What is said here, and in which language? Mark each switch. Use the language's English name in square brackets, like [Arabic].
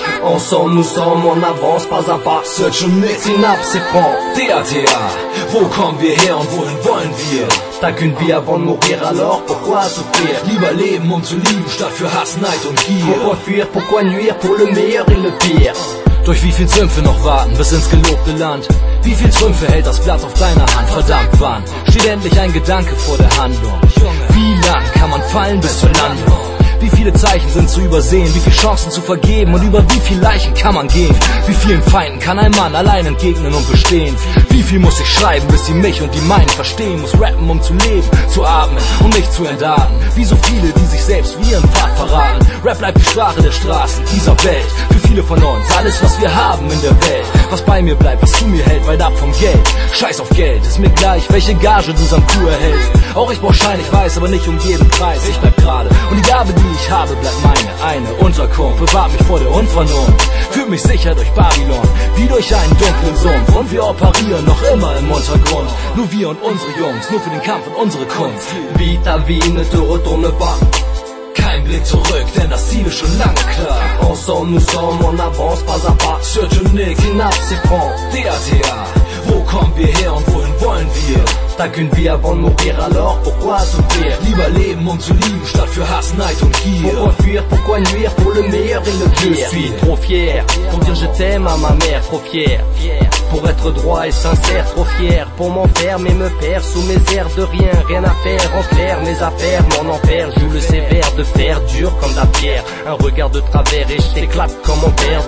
[French] Ensemble nous sommes, on avance pas à pas. Search and mix synapse prend TATA. [German] Wo kommen wir her und wohin wollen wir? [French] T'as qu'une vie avant de mourir, alors pourquoi souffrir? [German] Lieber leben und zu lieben statt für Hass, Neid und Gier. [French] Pourquoi fuir, pourquoi nuire pour le meilleur et le pire? [German] Durch wie viel Sümpfe noch warten bis ins gelobte Land? Wie viel Sümpfe hält das Blatt auf deiner Hand? Verdammt wann? Steht endlich ein Gedanke vor der Handlung? Wie lang kann man fallen bis zur Landung? Wie viele Zeichen sind zu übersehen? Wie viele Chancen zu vergeben? Und über wie viele Leichen kann man gehen? Wie vielen Feinden kann ein Mann allein entgegnen und bestehen? Wie viel muss ich schreiben, bis sie mich und die meinen verstehen? Muss rappen, um zu leben, zu atmen und mich zu entarten? Wie so viele, die sich selbst wie ihren Pfad verraten? Rap bleibt die Sprache der Straßen, dieser Welt. Für viele von uns, alles was wir haben in der Welt. Was bei mir bleibt, was zu mir hält, weit ab vom Geld. Scheiß auf Geld, ist mir gleich, welche Gage du samt du erhältst. Auch ich brauch Schein, ich weiß, aber nicht um jeden Preis. Ich bleib gerade und die Gabe, die ich habe, bleibt meine. Eine Unterkunft bewahrt mich vor der Unvernunft. Fühl mich sicher durch Babylon, wie durch einen dunklen Sumpf. Und wir operieren noch immer im Untergrund. Nur wir und unsere Jungs, nur für den Kampf und unsere Kunst. Vita wie eine Dürre Bank. Kein Blick zurück, denn das Ziel ist schon lange klar. [French] Ensemble nous sommes, on avance pas à pas. Search and Nick, hinab, c'est prend, DATA. [German] Wo kommen wir her und wohin wollen wir? Da können wir [French] avant mourir, alors pourquoi souffrir? [German] Lieber leben, um zu lieben, statt für Hass, Neid und Gier. [French] Pourquoi fuir, pourquoi nuire, pour le meilleur et le pire. Je suis trop fier, pour dire je t'aime à ma mère, trop fier. Pour être droit et sincère, trop fier. Pour m'enfermer, me perdre sous mes airs de rien, rien à faire. En clair, mes affaires, mon enfer, joue le sévère. De fer dur comme la pierre, un regard de travers et je t'éclate comme mon père.